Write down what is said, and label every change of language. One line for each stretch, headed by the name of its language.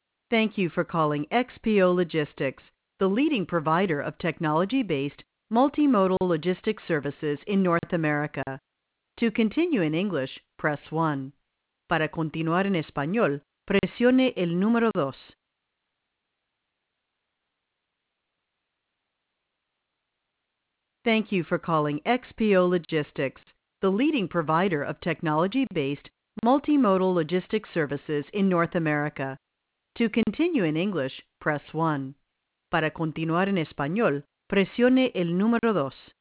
English: Thank you for calling XPO Logistics, the leading provider of technology-based multimodal logistics services in North America. To continue in English, press 1.
Spanish: Para continuar en español, presione el número 2.
English: Thank you for calling XPO Logistics, the leading provider of technology-based multimodal logistics services in North America. To continue in English, press 1.
Spanish: Para continuar en español, presione el número 2.